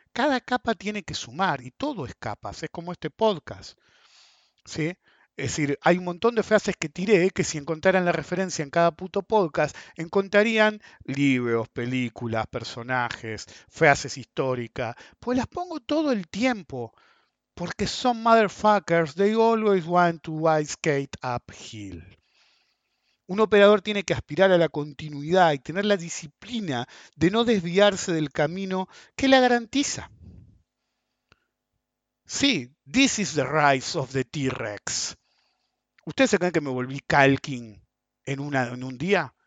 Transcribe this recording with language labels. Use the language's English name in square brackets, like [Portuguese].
[Spanish] Cada capa tiene que sumar y todo es capas. Es como este podcast. ¿Sí? Es decir, hay un montón de frases que tiré que si encontraran la referencia en cada puto podcast, encontrarían libros, películas, personajes, frases históricas. Pues las pongo todo el tiempo. Porque son [English] motherfuckers, they always want to ice skate uphill. [Spanish] Un operador tiene que aspirar a la continuidad y tener la disciplina de no desviarse del camino que la garantiza. Sí, [English] this is the rise of the T-Rex. [Spanish] ¿Ustedes se creen que me volví Calkin en un día?